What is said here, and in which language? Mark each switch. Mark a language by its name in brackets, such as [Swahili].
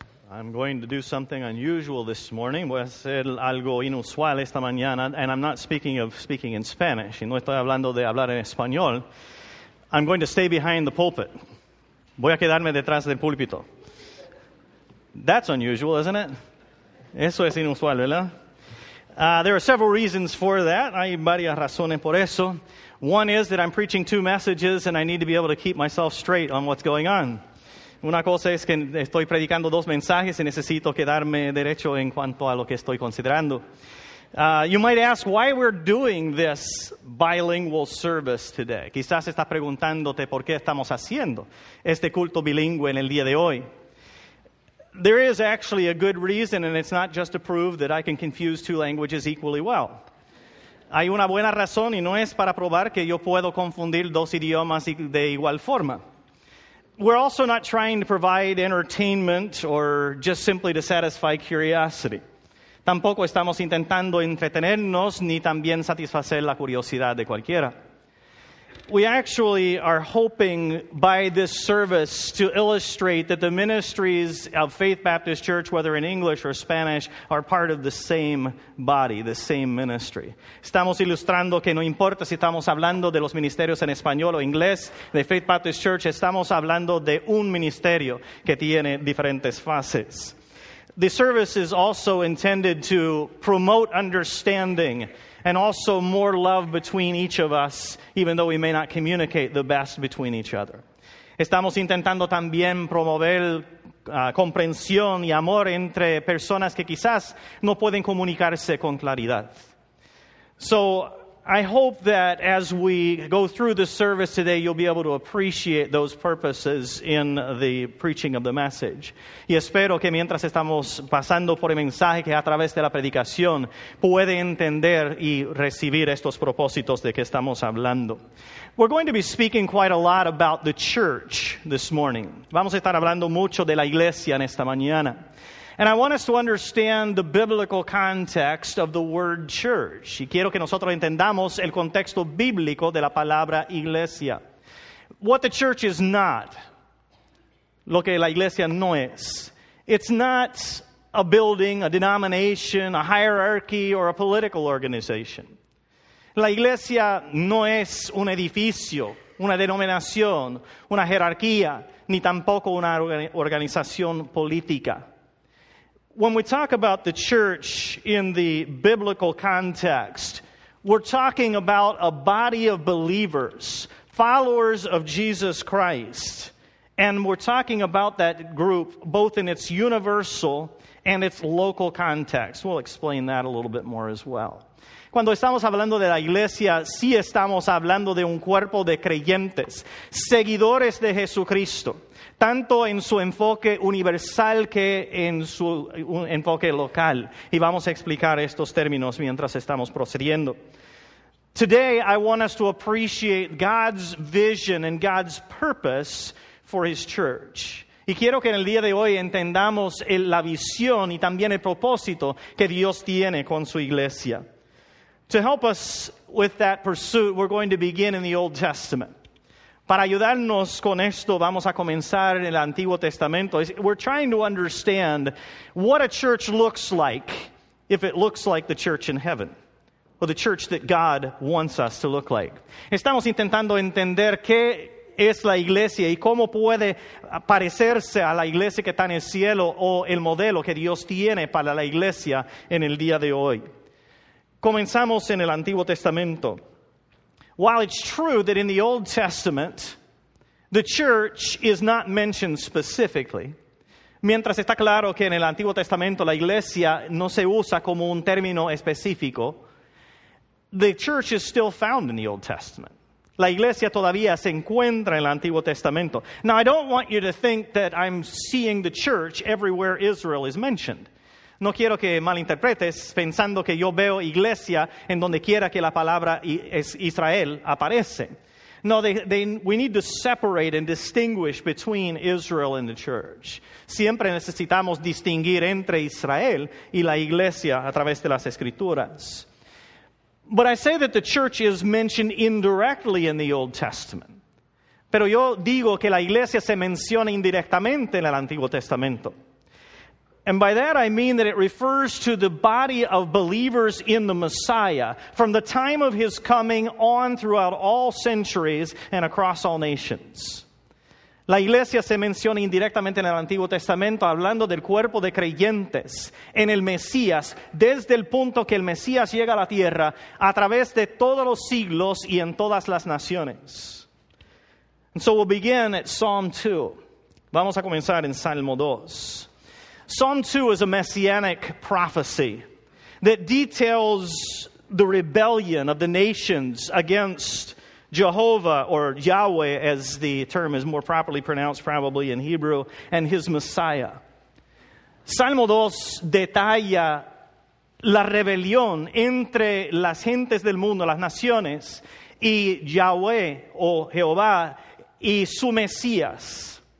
[English] I'm going to do something unusual this morning. [Spanish] Voy a hacer algo inusual esta mañana. [English] And I'm not speaking of speaking in Spanish. [Spanish] Y no estoy hablando de hablar en español. [English] I'm going to stay behind the pulpit. [Spanish] Voy a quedarme detrás del púlpito. [English] That's unusual, isn't it? [Spanish] Eso es inusual, ¿verdad? [English] There are several reasons for that. [Spanish] Hay varias razones por eso. [English] One is that I'm preaching two messages and I need to be able to keep myself straight on what's going on. [Spanish] Una cosa es que estoy predicando dos mensajes y necesito quedarme derecho en cuanto a lo que estoy considerando. [English] You might ask why we're doing this bilingual service today. [Spanish] Quizás estás preguntándote por qué estamos haciendo este culto bilingüe en el día de hoy. [English] There is actually a good reason, and it's not just to prove that I can confuse two languages equally well. [Spanish] Hay una buena razón y no es para probar que yo puedo confundir dos idiomas de igual forma. [English] We're also not trying to provide entertainment or just simply to satisfy curiosity. [Spanish] Tampoco estamos intentando entretenernos ni también satisfacer la curiosidad de cualquiera. [English] We actually are hoping by this service to illustrate that the ministries of Faith Baptist Church, whether in English or Spanish, are part of the same body, the same ministry. [Spanish] Estamos ilustrando que no importa si estamos hablando de los ministerios en español o inglés, de Faith Baptist Church, estamos hablando de un ministerio que tiene diferentes fases. [English] The service is also intended to promote understanding and also more love between each of us, even though we may not communicate the best between each other. [Spanish] Estamos intentando también promover comprensión y amor entre personas que quizás no pueden comunicarse con claridad. [English] So I hope that as we go through the service today, you'll be able to appreciate those purposes in the preaching of the message. [Spanish] Y espero que mientras estamos pasando por el mensaje que a través de la predicación puede entender y recibir estos propósitos de que estamos hablando. [English] We're going to be speaking quite a lot about the church this morning. [Spanish] Vamos a estar hablando mucho de la iglesia en esta mañana. [English] And I want us to understand the biblical context of the word church. [Spanish] Y quiero que nosotros entendamos el contexto bíblico de la palabra iglesia. [English] What the church is not. [Spanish] Lo que la iglesia no es. [English] It's not a building, a denomination, a hierarchy, or a political organization. [Spanish] La iglesia no es un edificio, una denominación, una jerarquía, ni tampoco una organización política. [English] When we talk about the church in the biblical context, we're talking about a body of believers, followers of Jesus Christ. And we're talking about that group both in its universal and its local context. We'll explain that a little bit more as well. [Spanish] Cuando estamos hablando de la iglesia, sí estamos hablando de un cuerpo de creyentes, seguidores de Jesucristo, tanto en su enfoque universal que en su enfoque local. Y vamos a explicar estos términos mientras estamos procediendo. [English] Today, I want us to appreciate God's vision and God's purpose for His church. [Spanish] Y quiero que en el día de hoy entendamos la visión y también el propósito que Dios tiene con su iglesia. [English] To help us with that pursuit, we're going to begin in the Old Testament. [Spanish] Para ayudarnos con esto, vamos a comenzar en el Antiguo Testamento. [English] We're trying to understand what a church looks like if it looks like the church in heaven, or the church that God wants us to look like. [Spanish] Estamos intentando entender qué es la iglesia y cómo puede parecerse a la iglesia que está en el cielo o el modelo que Dios tiene para la iglesia en el día de hoy. Comenzamos en el Antiguo Testamento. [English] While it's true that in the Old Testament, the church is not mentioned specifically, [Spanish] mientras está claro que en el Antiguo Testamento la iglesia no se usa como un término específico, [English] the church is still found in the Old Testament. [Spanish] La iglesia todavía se encuentra en el Antiguo Testamento. [English] Now, I don't want you to think that I'm seeing the church everywhere Israel is mentioned. [Spanish] No quiero que malinterpretes pensando que yo veo iglesia en donde quiera que la palabra Israel aparece. [English] No, we need to separate and distinguish between Israel and the church. [Spanish] Siempre necesitamos distinguir entre Israel y la iglesia a través de las escrituras. [English] But I say that the church is mentioned indirectly in the Old Testament. [Spanish] Pero yo digo que la iglesia se menciona indirectamente en el Antiguo Testamento. [English] And by that I mean that it refers to the body of believers in the Messiah from the time of his coming on throughout all centuries and across all nations. [Spanish] La iglesia se menciona indirectamente en el Antiguo Testamento hablando del cuerpo de creyentes en el Mesías desde el punto que el Mesías llega a la tierra a través de todos los siglos y en todas las naciones. [English] And so we'll begin at Psalm 2. [Spanish] Vamos a comenzar en Salmo 2. [English] Psalm 2 is a messianic prophecy that details the rebellion of the nations against Jehovah, or Yahweh, as the term is more properly pronounced probably in Hebrew, and his Messiah. [Spanish] Salmo 2 detalla la rebelión entre las gentes del mundo, las naciones, y Yahweh, o Jehová, y su Mesías.